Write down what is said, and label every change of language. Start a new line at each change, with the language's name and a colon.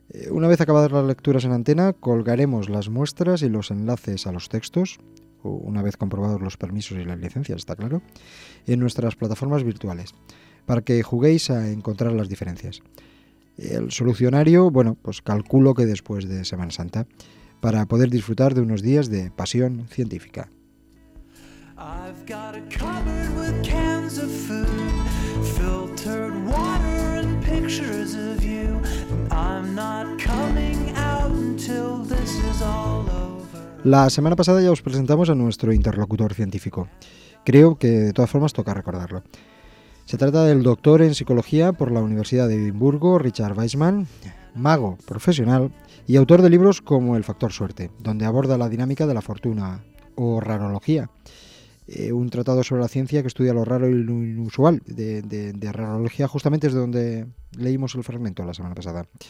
Spanish: Una vez acabadas las lecturas en antena, colgaremos las muestras y los enlaces a los textos, una vez comprobados los permisos y las licencias, está claro, en nuestras plataformas virtuales, para que juguéis a encontrar las diferencias. El solucionario, bueno, pues calculo que después de Semana Santa, para poder disfrutar de unos días de pasión científica.
English: I've got a cupboard with cans of food, filtered water and pictures of you. I'm not coming out until this is all over.
Spanish: La semana pasada ya os presentamos a nuestro interlocutor científico. Creo que de todas formas toca recordarlo. Se trata del doctor en psicología por la Universidad de Edimburgo, Richard Weissman, mago profesional y autor de libros como El factor suerte, donde aborda la dinámica de la fortuna, o rarología, un tratado sobre la ciencia que estudia lo raro y lo inusual de rarología, justamente es de donde leímos el fragmento la semana pasada.